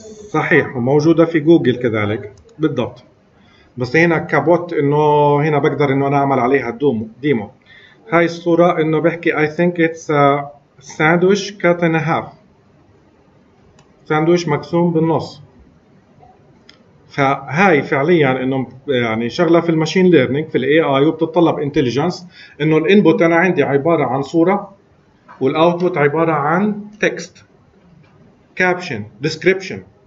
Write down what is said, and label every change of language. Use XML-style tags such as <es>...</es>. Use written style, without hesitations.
<ar>صحيح، وموجودة في جوجل كذلك بالضبط. بس هنا كابوت، انه هنا بقدر انه انا اعمل عليها ديمو. هاي الصورة انه بحكي</ar> <en>I think it's a sandwich cut in half.</en> <ar>ساندويش مقسوم بالنص. فهاي فعليا انه يعني شغلة في الماشين ليرنينج في الاي اي، وبتتطلب انتليجنس انه الانبوت انا عندي عبارة عن صورة، والاوتبوت عبارة عن تكست كابشن ديسكريبشن.</ar>